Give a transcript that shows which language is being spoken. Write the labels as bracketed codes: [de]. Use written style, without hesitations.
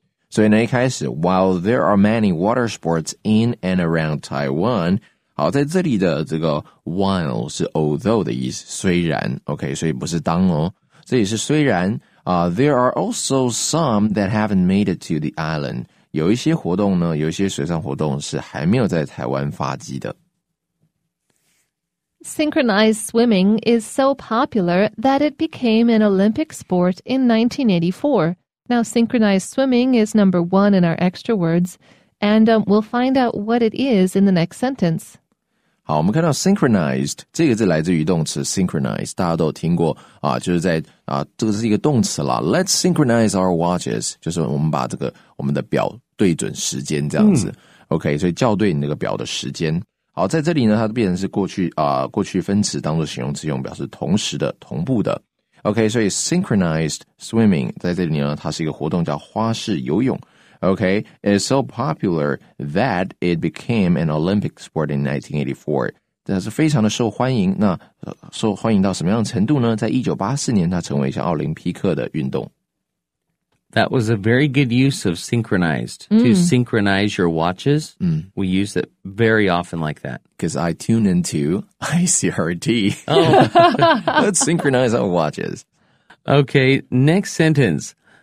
[zh] 所以呢，一开始 ， [en] while there are many water sports in and around Taiwan， [zh] 好，在这里的这个 while 是 although 的意思，虽然 ，OK， 所以不是当哦，这里是虽然啊。 [en] There are also some that haven't made it to the island。 [zh] 有一些活动呢，有一些水上活动是还没有在台湾发迹的。 [en] Synchronized swimming is so popular that it became an Olympic sport in 1984. Now, synchronized swimming is number 1 in our extra words, and we'll find out what it is in the next sentence. [zh] 好，我们看到 synchronized, 这个字来自于动词 synchronize, 大家都听过啊，就是在啊，这个是一个动词啦。 [en] Let's synchronize our watches, [zh] 就是我们把这个我们的表对准时间这样子。 OK, 所以校对你那个表的时间。好，在这里呢，它变成是过去啊，过去分词当作形容词用，表示同时的、同步的。 OK, 所以 synchronized swimming, 在这里呢它是一个活动叫花式游泳。 [en] OK, it's so popular that it became an Olympic sport in 1984. [zh] 但是非常的受欢迎。那受欢迎到什么样的程度呢？在1984年它成为一项奥林匹克的运动。 [en] That was a very good use of synchronized, to synchronize your watches. We use it very often like that. Because I tune into ICRT. Oh. Let's synchronize our watches. Okay, next sentence.